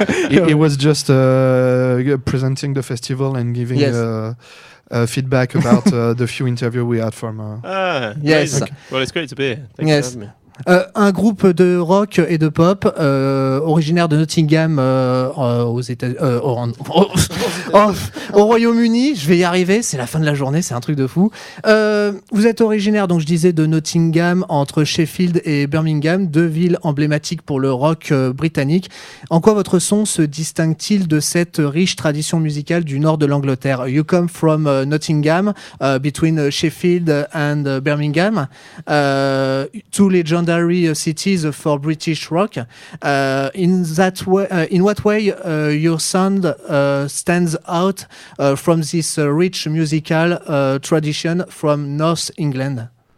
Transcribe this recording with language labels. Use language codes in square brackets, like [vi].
[en] It was just presenting the festival and giving feedback about the few interviews we had from. Yes. Okay. Well, it's great to be here. Thank you for having me. [fr] Un groupe de rock et de pop originaire de Nottingham au Royaume-Uni. Je vais y arriver, c'est la fin de la journée, c'est un truc de fou. Vous êtes originaire, donc je disais, de Nottingham, entre Sheffield et Birmingham, deux villes emblématiques pour le rock britannique. En quoi votre son se distingue-t-il de cette riche tradition musicale du nord de l'Angleterre? [en] You come from Nottingham, between Sheffield and Birmingham. Two legends cities for British rock. In what way your sound stands out from this rich musical tradition from North England?